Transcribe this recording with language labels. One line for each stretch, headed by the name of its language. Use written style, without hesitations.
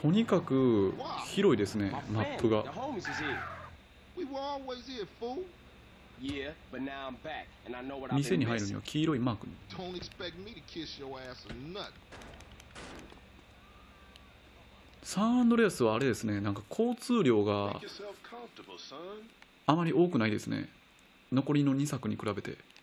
Japanese: とにかく広いですね、マップが。
English: The homies is here. We were always here, fool. Yeah, but now I'm back, and I know what I've been missing.
Japanese: 店に入るには黄色いマークに。
English: Don't expect me to kiss your ass or nut.
Japanese: サンアンドレアスはあれですね、なんか交通量があまり多くないですね、残りの2作に比べて。